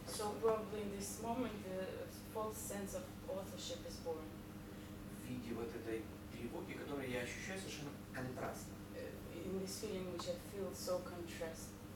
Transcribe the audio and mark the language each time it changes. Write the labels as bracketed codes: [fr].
[en] So probably in this moment the false sense of authorship is born. [ru] В виде вот этой тревоги, которую я ощущаю совершенно контрастно. [en] In this feeling which I feel so contrastly.